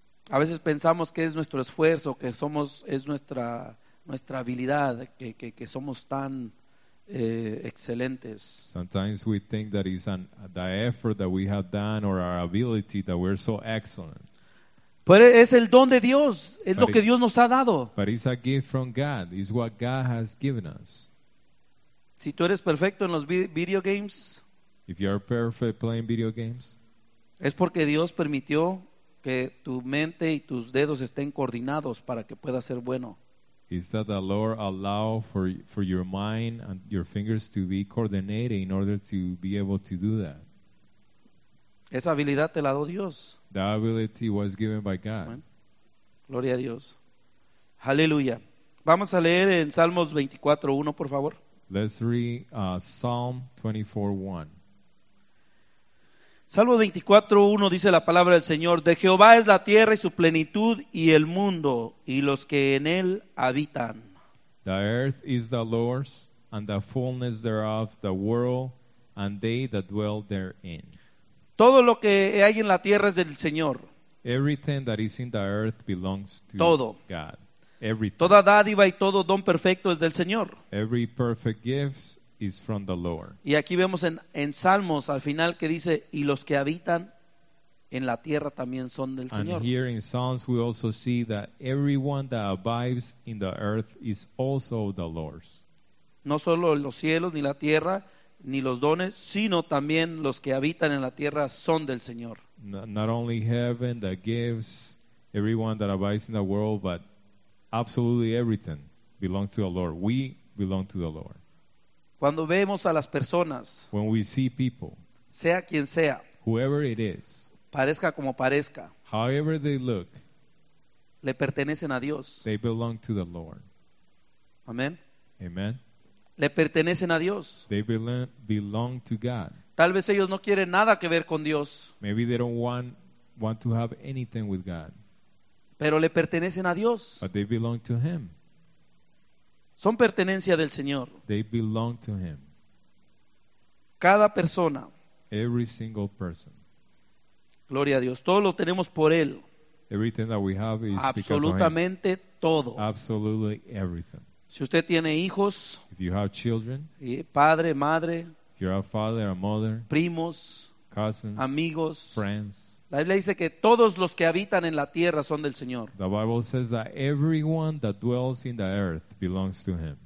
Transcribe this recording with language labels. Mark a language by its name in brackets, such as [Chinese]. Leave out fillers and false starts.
[Spanish] A veces pensamos que es nuestro esfuerzo, que somos, es nuestra habilidad, que somos tan excelentes. [English] Sometimes we think that it's the effort that we have done or our ability that we're so excellent. [Spanish] Pero es el don de Dios, es [English] but [Spanish] lo que Dios nos ha dado. [English] But it's a gift from God, it's what God has given us. [Spanish] Si tú eres perfecto en los video games, [English] if you are perfect playing video games, [Spanish] es porque Dios permitió que tu mente y tus dedos estén coordinados para que pueda ser bueno. [English] Is that the Lord allow for your mind and your fingers to be coordinated in order to be able to do that? [Spanish] Esa habilidad te la dio Dios. [English] That ability was given by God. [Spanish] Gloria a Dios. Aleluya. Vamos a leer en Salmos 24:1, por favor. [English] Let's read Psalm 24:1. [Spanish] Salmo 24:1 dice la palabra del Señor: De Jehová es la tierra y su plenitud, y el mundo y los que en él habitan. [English] The earth is the Lord's, and the fullness thereof, the world, and they that dwell therein. [Spanish] Todo lo que hay en la tierra es del Señor. [English] Everything that is in the earth belongs to [Spanish] todo. [English] God. Everything. [Spanish] Toda dádiva y todo don perfecto es del Señor. [English] Every perfect gift is from the Lord. [Spanish] Y aquí vemos en Salmos al final que dice, y los que habitan en la tierra también son del Señor. [English] And here in Psalms we also see that everyone that abides in the earth is also the Lord's. [Spanish] No solo los cielos, ni la tierra, ni los dones, sino también los que habitan en la tierra son del Señor. [English] Not only heaven that gives everyone that abides in the world, but absolutely everything belongs to the Lord. We belong to the Lord. [Spanish] Cuando vemos a las personas, [English] when we see people, [Spanish] sea quien sea, [English] whoever it is, [Spanish] parezca como parezca, [English] however they look, [Spanish] le pertenecen a Dios. [English] They belong to the Lord. Amen. Amen. [Spanish] Le pertenecen a Dios. [English] They belong to God. [Spanish] Tal vez ellos no quieren nada que ver con Dios. [English] Maybe they don't want to have anything with God. [Spanish] Pero le pertenecen a Dios. [English] But they belong to Him. [Spanish] Son pertenencia del Señor. [English] They belong to Him. [Spanish] Cada persona. [English] Every single person. [Spanish] Gloria a Dios. Todo lo tenemos por Él. [English] Everything that we have is [Spanish] absolutamente [English] because of Him. [Spanish] Todo. [English] Absolutely everything. [Spanish] Si usted tiene hijos. [English] If you have children. [Spanish] Y padre, madre. [English] If you have a father or mother. [Spanish] Primos. [English] Cousins. [Spanish] Amigos. [English] Friends. [Spanish] La Biblia dice que todos los que habitan en la tierra son del Señor. [English] The Bible says that everyone that dwells in the earth belongs to Him.